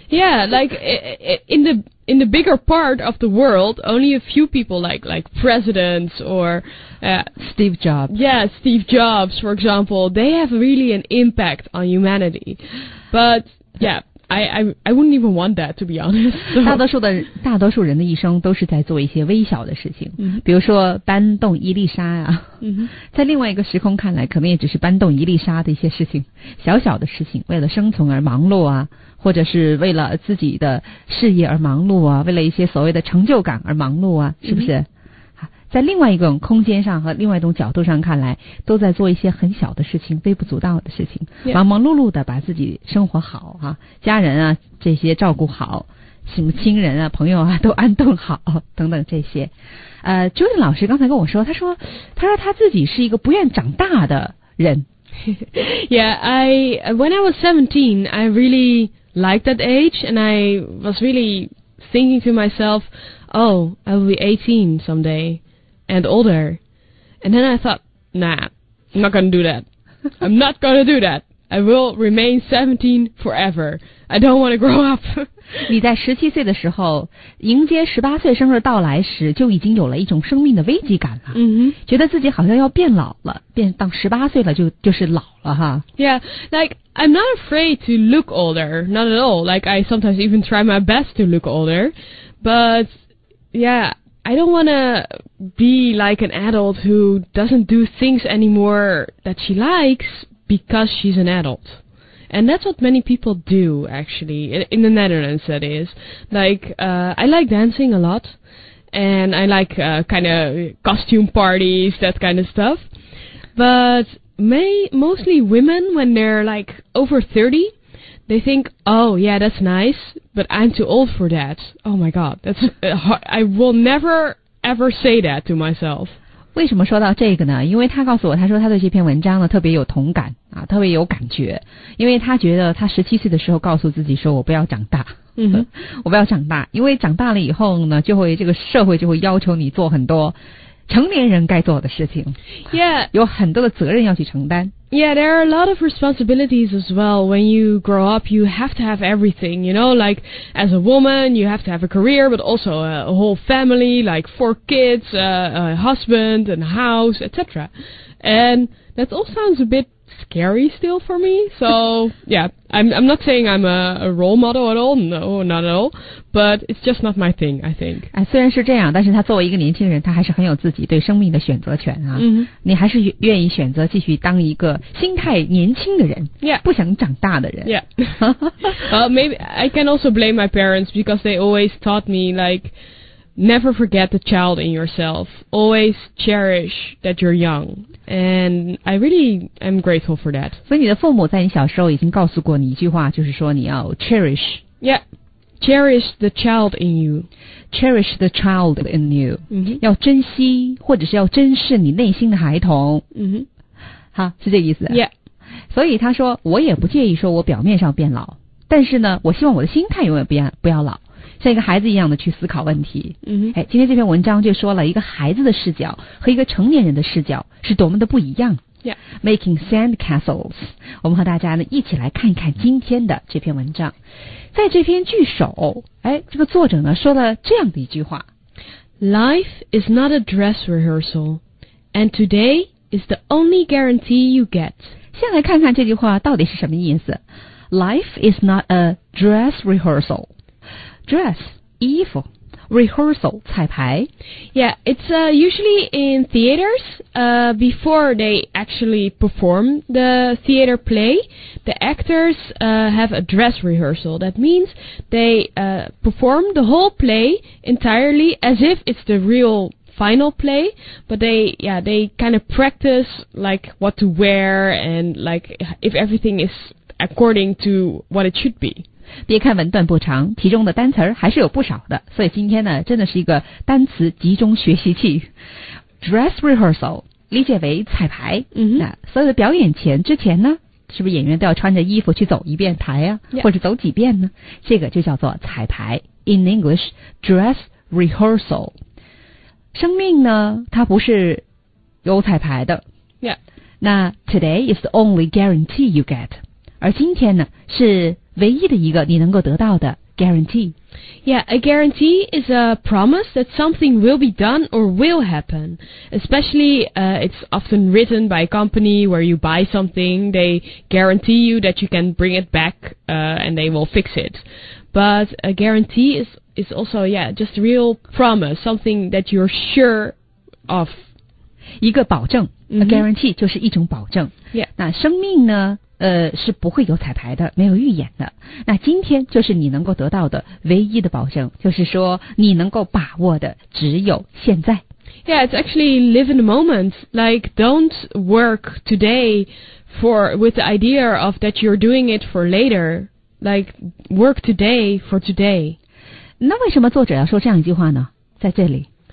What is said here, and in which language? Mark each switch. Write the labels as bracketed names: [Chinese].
[English] Yeah, like in the bigger part of the world, only a few people like presidents or Steve Jobs. Yeah, Steve Jobs, for example, they have really an impact on humanity. But yeah, I wouldn't even want that, to be honest. So. [Chinese] 大多数人的一生都是在做一些微小的事情，比如说搬动伊丽莎啊。在另外一个时空看来，可能也只是搬动伊丽莎的一些事情，小小的事情，为了生存而忙碌啊，或者是为了自己的事业而忙碌啊，为了一些所谓的成就感而忙碌啊，是不是？在另外一种空间上和另外一种角度上看来，都在做一些很小的事情，微不足道的事情、 [English] yeah. [Chinese] 忙忙碌碌的把自己生活好啊，家人啊这些照顾好，什么亲人啊朋友啊都安顿好等等这些。 Julian 老师刚才跟我说，他说他自己是一个不愿长大的人。 [English] Yeah, when I was 17, I really liked that age, and I was really thinking to myself, oh, I will be 18 someday. And older. And then I thought, nah, I'm not gonna do that. I'm not gonna do that. I will remain 17 forever. I don't wanna grow up. [Chinese] 你在17岁的时候，迎接18岁生日到来时，就已经有了一种生命的危机感了。嗯哼，觉得自己好像要变老了，变到18岁了就是老了哈。 [English] Yeah, like, I'm not afraid to look older. Not at all. Like, I sometimes even try my best to look older. But, yeah... I don't want to be like an adult who doesn't do things anymore that she likes because she's an adult. And that's what many people do, actually, in the Netherlands, that is. Like, I like dancing a lot, and I like kind of costume parties, that kind of stuff. But mostly women, when they're like over 30, they think, oh, yeah, that's nice. But I'm too old for that. Oh my god, that's I will never ever say that to myself. [Chinese] 为什么说到这个呢？因为他告诉我，他说他对这篇文章呢特别有同感啊，特别有感觉，因为他觉得他17岁的时候告诉自己说我不要长大。嗯，我不要长大，因为长大了以后呢，就会这个社会就会要求你做很多成年人该做的事情。 [English] Yeah. [Chinese] 有很多的责任要去承担。 [English] Yeah, there are a lot of responsibilities as well. When you grow up, you have to have everything, you know, like as a woman, you have to have a career, but also a whole family, like 4 kids, a husband and a house, etc. And that all sounds a bit scary still for me. So, yeah, I'm not saying I'm a role model at all. No, not at all. But it's just not my thing, I think. [Chinese] 虽然是这样，但是他作为一个年轻人，他还是很有自己对生命的选择权啊。 Mm-hmm. 你还是愿意选择继续当一个心态年轻的人， [English] yeah. [Chinese] 不想长大的人。 [English] Yeah. maybe I can also blame my parents because they always taught me, like, never forget the child in yourself. Always cherish that you're young. And I really am grateful for that. [Chinese] 所以你的父母在你小时候已经告诉过你一句话，就是说你要 cherish. [English] Yeah, cherish the child in you. Cherish the child in you.、 Mm-hmm. [Chinese] 要珍惜或者是要珍视你内心的孩童。 Mm-hmm. 好，是这个意思。 [English] Yeah. [Chinese] 所以他说，我也不介意说我表面上变老，但是呢，我希望我的心态永远不要老。像一个孩子一样的去思考问题、嗯哎、今天这篇文章就说了一个孩子的视角和一个成年人的视角是多么的不一样、 [English] yeah. Making sandcastles [Chinese] 我们和大家呢一起来看一看今天的这篇文章在这篇句首、哎、这个作者呢说了这样的一句话 [English] Life is not a dress rehearsal And today is the only guarantee you get [Chinese] 先来看看这句话到底是什么意思 [English] Life is not a dress rehearsaldress [Chinese] 衣服 rehearsal 彩排 [English] yeah it's、usually in theaters、before they actually perform the theater play the actors、have a dress rehearsal that means they、perform the whole play entirely as if it's the real final play but they yeah they kind of practice like what to wear and like if everything is according to what it should be [Chinese] 别看文段不长其中的单词还是有不少的所以今天呢真的是一个单词集中学习器 [English] Dress rehearsal [Chinese] 理解为彩排、 mm-hmm. 那所有的表演前之前呢是不是演员都要穿着衣服去走一遍台啊、 [English] yeah. [Chinese] 或者走几遍呢这个就叫做彩排 [English] In English Dress rehearsal [Chinese] 生命呢它不是有彩排的、 [English] yeah. [Chinese] 那 [English] Today is the only guarantee you get [Chinese] 而今天呢是唯一的一个你能够得到的 guarantee [English] Yeah, a guarantee is a promise that something will be done or will happen Especially、it's often written by a company where you buy something They guarantee you that you can bring it back、and they will fix it But a guarantee is also, yeah, just a real promise Something that you're sure of [Chinese] 一个保证、mm-hmm. [English] A guarantee [Chinese] 就是一种保证、 [English] yeah. [Chinese] 那生命呢是不会有彩排的没有预演的那今天就是你能够得到的唯一的保证就是说你能够把握的只有现在 [English] Yeah, it's actually live in the moment Like, don't work today with the idea of that you're doing it for later Like, work today for today [Chinese] 那为什么作者要说这样一句话呢在这里、